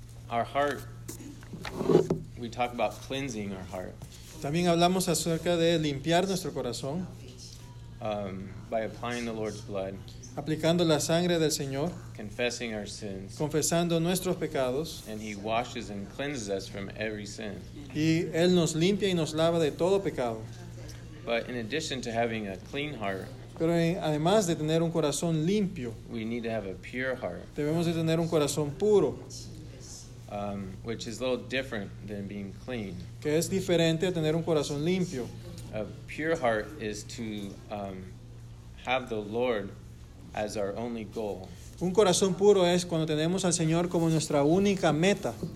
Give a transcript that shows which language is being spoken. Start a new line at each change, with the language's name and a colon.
English: Our heart, we talk about cleansing our heart.
Spanish: También hablamos acerca de limpiar nuestro corazón.
English: By applying the Lord's blood.
Spanish: Aplicando la sangre del Señor.
English: Confessing our sins.
Spanish: Confesando nuestros pecados.
English: And He washes and cleanses us from every sin.
Spanish: Y Él nos limpia y nos lava de todo pecado.
English: But in addition to having a clean heart.
Spanish: Pero además de tener un corazón limpio,
English: we need to have a pure heart,
Spanish: debemos de tener un corazón puro,
English: which is a little different than being clean.
Spanish: Que es diferente a tener un corazón limpio.
English: A pure heart is to have the Lord as our only goal.
Spanish: Un corazón puro es cuando tenemos al Señor como nuestra única meta.